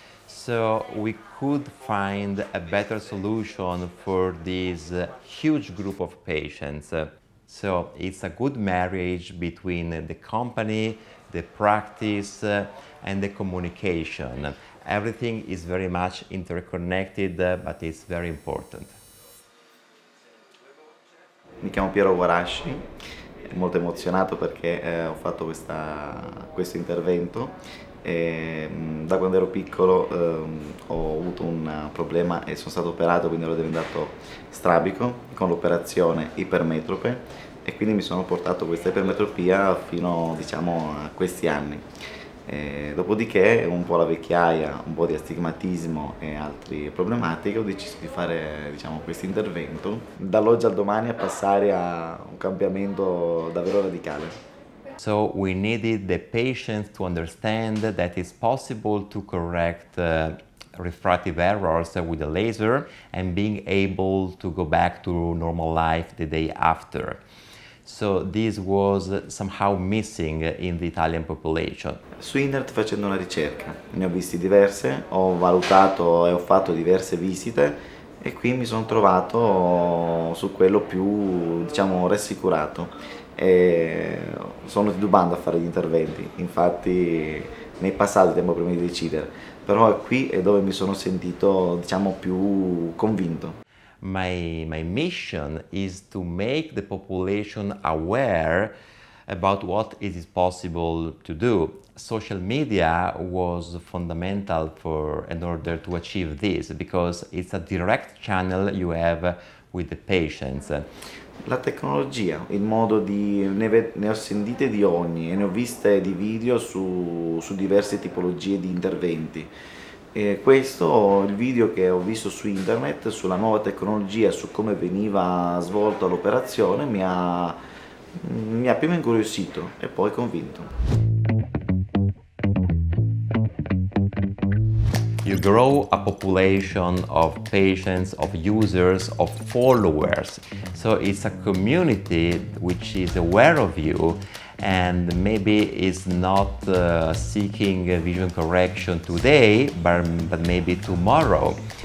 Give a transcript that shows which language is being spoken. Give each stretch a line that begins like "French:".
English: So we could find a better solution for this huge group of patients. So it's a good marriage between the company, the practice, and the communication. Everything is very much interconnected, but it's very important.
Italian: Mi chiamo Piero Guarasci, molto emozionato perché ho fatto questo intervento. E, da quando ero piccolo ho avuto un problema e sono stato operato, quindi ero diventato strabico con l'operazione ipermetrope. e quindi mi sono portato questa ipermetropia fino, diciamo, a questi anni. Dopodiché, un po' la vecchiaia, un po' di astigmatismo e altre problematiche, ho deciso di fare, diciamo, questo intervento. Dall'oggi al domani a passare a un cambiamento davvero radicale.
English: So we needed the patients to understand that it's possible to correct refractive errors with a laser and being able to go back to normal life the day after. So this was somehow missing in the Italian population.
Italian: Su internet, facendo una ricerca, ne ho visti diverse, ho valutato e ho fatto diverse visite e qui mi sono trovato su quello più, diciamo, rassicurato. E sono titubando a fare gli interventi, infatti ne è passato il tempo prima di decidere, però qui è dove mi sono sentito, diciamo, più convinto.
English: My mission is to make the population aware about what it is possible to do. Social media was fundamental for in order to achieve this, because it's a direct channel you have with the patients.
Italian: La tecnologia, il modo di... ne ho sentite di ogni e ne ho viste di video su diverse tipologie di interventi. E questo, il video che ho visto su internet, sulla nuova tecnologia, su come veniva svolta l'operazione, mi ha prima incuriosito e poi convinto.
English: You grow a population of patients, of users, of followers. So it's a community which is aware of you and maybe is not seeking vision correction today, but maybe tomorrow.